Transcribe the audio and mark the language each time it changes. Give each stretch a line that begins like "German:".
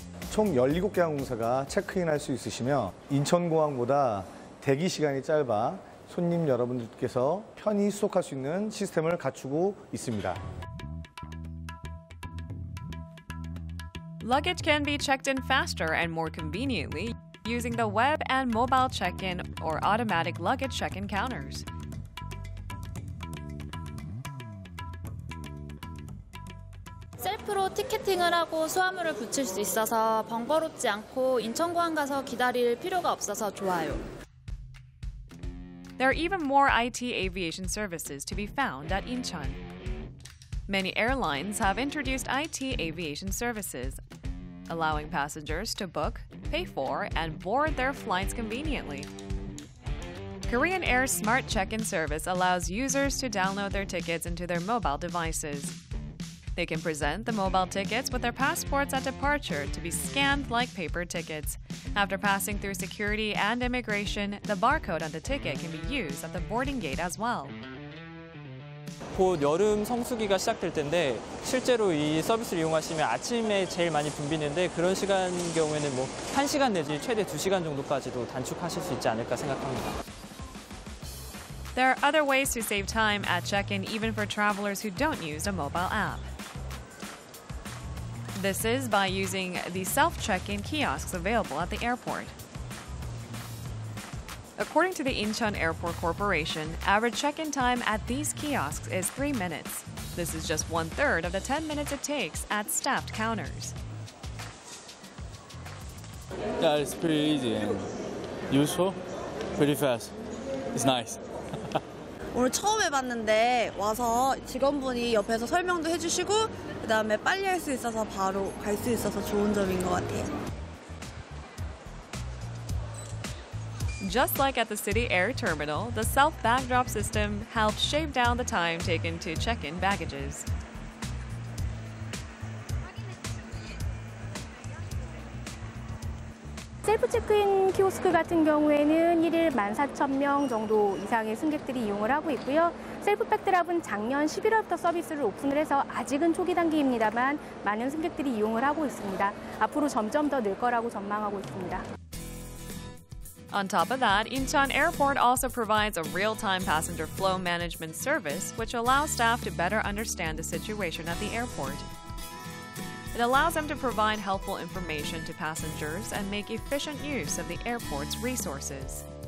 Korean: 총 17개 항공사가 체크인할 수 있으시며 인천공항보다 대기 시간이 짧아 손님 여러분들께서 편히 수속할 수 있는 시스템을 갖추고 있습니다.
English: Luggage can be checked in faster and more conveniently using the web and mobile check-in or automatic luggage check-in counters.
Korean: Ticketing을 하고 수화물을 붙일 수 있어서 번거롭지 않고 인천공항 가서 기다릴 필요가 없어서 좋아요.
English: There are even more IT aviation services to be found at Incheon. Many airlines have introduced IT aviation services, allowing passengers to book, pay for, and board their flights conveniently. Korean Air's smart check-in service allows users to download their tickets into their mobile devices. They can present the mobile tickets with their passports at departure to be scanned like paper tickets. After passing through security and immigration, the barcode on the ticket can be used at the boarding gate as well.
Korean: 곧 여름 성수기가 시작될 텐데 실제로 이 서비스를 이용하시면 아침에 제일 많이 붐비는데 그런 시간 경우에는 뭐 1시간 내지 최대 2시간 정도까지도 단축하실 수 있지 않을까 생각합니다.
English: There are other ways to save time at check-in even for travelers who don't use a mobile app. This is by using the self-check-in kiosks available at the airport. According to the Incheon Airport Corporation, average check-in time at these kiosks is 3 minutes. This is just one-third of the 10 minutes it takes at staffed counters. Yeah, it's pretty easy and useful, pretty fast. It's nice.
Korean: 오늘 처음 해봤는데 와서 직원분이 옆에서 설명도 해주시고 그 다음에 빨리 할 수 있어서 바로 갈 수 있어서 좋은 점인 것 같아요.
English: Just like at the city air terminal, the self-bag drop system helps shave down the time taken to check in baggages.
Korean: Self-check-in 키오스크 같은 경우에는 1일 14,000명 정도 이상의 승객들이 이용을 하고 있고요. Self-bag drop은 작년 11월부터 서비스를 오픈을 해서 아직은 초기 단계입니다만 많은 승객들이 이용을 하고 있습니다. 앞으로 점점 더 늘 거라고 전망하고 있습니다.
English: On top of that, Incheon Airport also provides a real-time passenger flow management service, which allows staff to better understand the situation at the airport. It allows them to provide helpful information to passengers and make efficient use of the airport's resources.